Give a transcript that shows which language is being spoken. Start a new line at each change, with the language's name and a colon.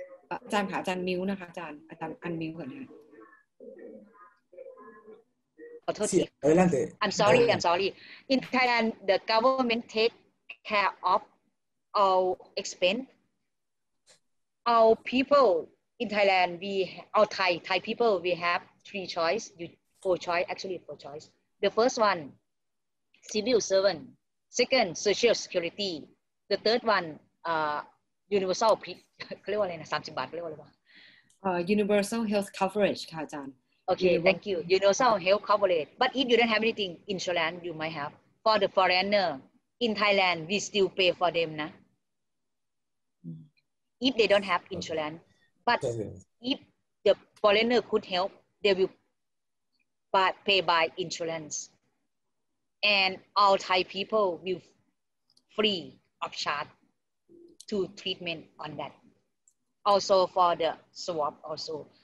Thai: อาจารย์ค่ะอาจารย์มิวนะคะอาจารย์อันมิวก่อนค่ะ
English: ขอโทษที I'm sorry in Thailand the government take care of our expense our people in Thailand we our Thai people we have three choice you four choice actually four choice the first one civil servant second social security the third one universal
Thai: เรียกว่าอะไรนะ30บาทเรียกว่าอะไรว
English: ะ universal health coverage ค่ะอาจารย์โอเค thank you universal health coverage but if you don't have anything insurance you might have for the foreigner in Thailand we still pay for them นะ if they don't have insurance but if the foreigner could help they will but pay by insurance and all Thai people will free of charge to treatment on thatAlso for the swab also.